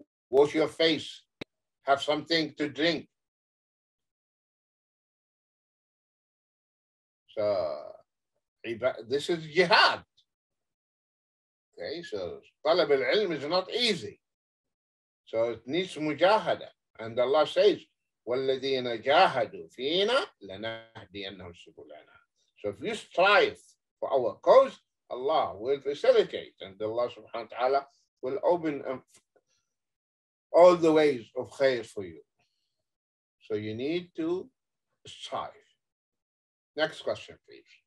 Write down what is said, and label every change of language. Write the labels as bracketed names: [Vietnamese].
[English] Wash your face, have something to drink. So this is jihad. Okay, so [Arabic] طلب العلم [English] is not easy. So it needs mujahada. [Arabic] And Allah says, وَالَّذِينَ جَاهَدُوا فِيْنَا لَنَهْدِيَنَّهُمْ سُبُلَنَا. [English] So if you strive for our cause, Allah will facilitate, and Allah subhanahu wa ta'ala will open all the ways of khair for you. So you need to strive. Next question, please.